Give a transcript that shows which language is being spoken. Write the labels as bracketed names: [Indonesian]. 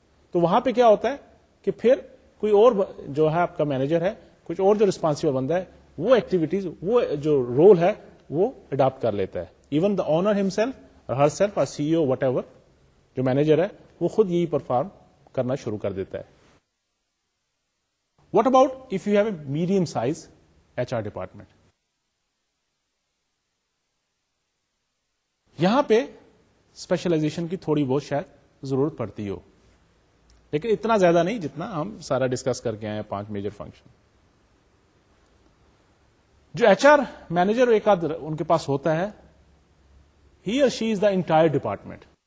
[Urdu] تو وہاں پہ کیا ہوتا ہے کہ پھر کوئی اور جو ہے آپ کا مینیجر ہے, کچھ اور جو ریسپانسبل بندہ ہے, وہ ایکٹیویٹیز, وہ جو رول ہے وہ اڈاپٹ کر لیتا ہے. [English] even the owner himself or herself or C O whatever [Urdu] جو مینیجر ہے وہ خود یہی پرفارم کرنا شروع کر دیتا ہے. [English] What about if you have a medium size HR department? [Urdu] یہاں پہ specialization کی تھوڑی بہت شاید ضرورت پڑتی ہو, لیکن اتنا زیادہ نہیں جتنا ہم سارا ڈسکس کر کے آئے پانچ میجر فنکشن. جو HR manager ایک آدھ ان کے پاس ہوتا ہے, [English] he or she is the entire department.